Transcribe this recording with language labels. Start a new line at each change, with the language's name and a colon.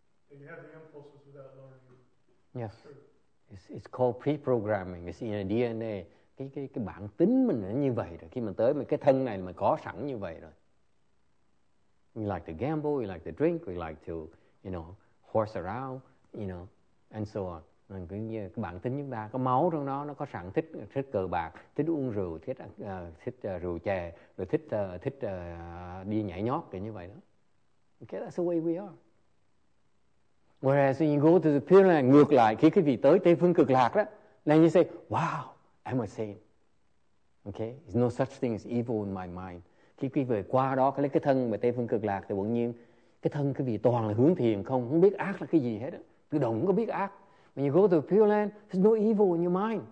English: You have the impulses without learning. Yes. It's called pre-programming. It's in our DNA.
Vietnamese: Cái bản tính mình nó như vậy rồi. Khi mình tới mình cái thân này mình có sẵn như vậy rồi.
English: We like to gamble, we like to drink, we like to, you know, horse around, you know, and so on.
Vietnamese: Cái bản tính chúng ta có máu trong nó có sẵn, thích cờ bạc, thích uống rượu, thích rượu chè, rồi thích đi nhảy nhót kiểu như vậy đó.
English: Okay, that's the way we are. Whereas when you go to the pure land,
Vietnamese: ngược lại, khi quý vị tới Tây Phương Cực Lạc đó,
English: then you say, wow, I'm a saint. Okay? There's no such thing as evil in my mind.
Vietnamese: Khi quý vị qua đó, cái lấy cái thân mà Tây Phương Cực Lạc thì bỗng nhiên cái thân quý vị toàn là hướng thiền không, không biết ác là cái gì hết á. Tự động không có biết ác.
English: When you go to the pure land, there's no evil in your mind.